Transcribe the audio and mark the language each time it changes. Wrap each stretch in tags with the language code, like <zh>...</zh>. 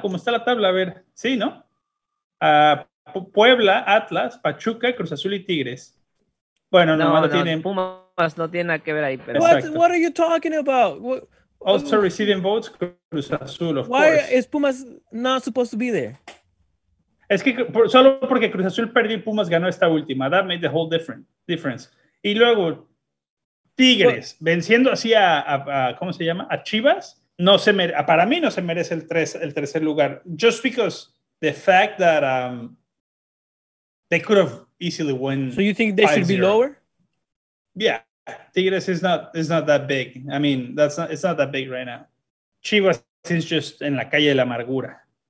<es>¿Cómo está la tabla? A ver. Sí, ¿no? Puebla, Atlas, Pachuca, Cruz Azul y Tigres. Bueno, no tienen... Pumas no tiene nada que ver ahí. Pero...</es> <en>What are you talking about? Also receiving votes, Cruz Azul, of course. Why is Pumas not supposed to be there?</en> <es>Es que solo porque Cruz Azul perdió y Pumas ganó esta última.</es> <en>That made the whole difference.</en> <es>Y luego, Tigres, venciendo así a ¿cómo se llama? A Chivas, para mí no se merece el tercer lugar.</es> <en>Just because the fact that they could have easily won. So you think they 5-0. Should be lower? Yeah, Tigres is not that big. I mean, it's not that big right now. Chivas is just</en> <es>en la calle de la amargura.</es>